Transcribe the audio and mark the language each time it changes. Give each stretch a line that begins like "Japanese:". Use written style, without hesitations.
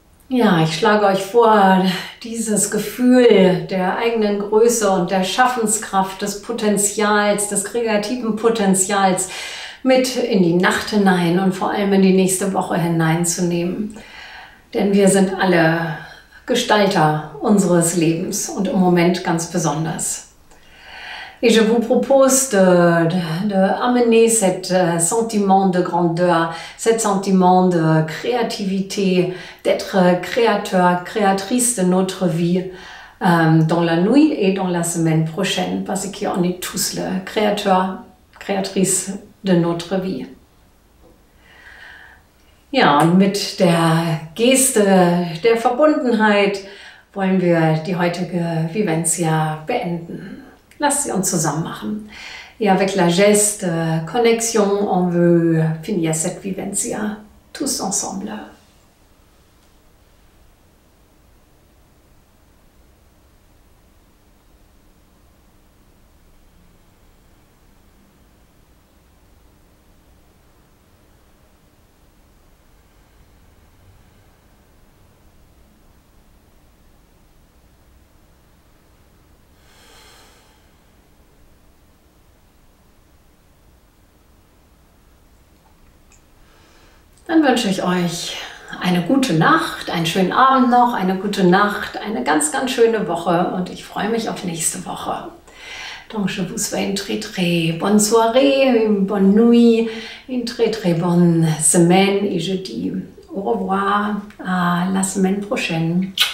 German: Ja, ich schlage euch vor, dieses Gefühl der eigenen Größe und der Schaffenskraft, des Potenzials, des kreativen Potenzials mit in die Nacht hinein und vor allem in die nächste Woche hineinzunehmen. Denn wir sind alle Gestalter unseres Lebens und im Moment ganz besonders.
French: Et je vous propose de amener cet sentiment de grandeur, cet sentiment de créativité, d'être créateur, créatrice de notre vie dans la nuit et dans la semaine prochaine, parce qu'on est tous le créateur, créatrice de notre vie.
German: Ja, und mit der Geste der Verbundenheit wollen wir die heutige Vivencia beenden. Lasst sie uns zusammen machen.
French: Et avec la geste connexion, on veut finir cette vivencia tous ensemble.
German: Dann wünsche ich euch eine gute Nacht, einen schönen Abend noch, eine gute Nacht, eine ganz, ganz schöne Woche und ich freue mich auf nächste Woche.
French: Donc je vous souhaite une très, très bonne soirée, une bonne nuit, une très, très bonne semaine et je dis au revoir à la semaine prochaine.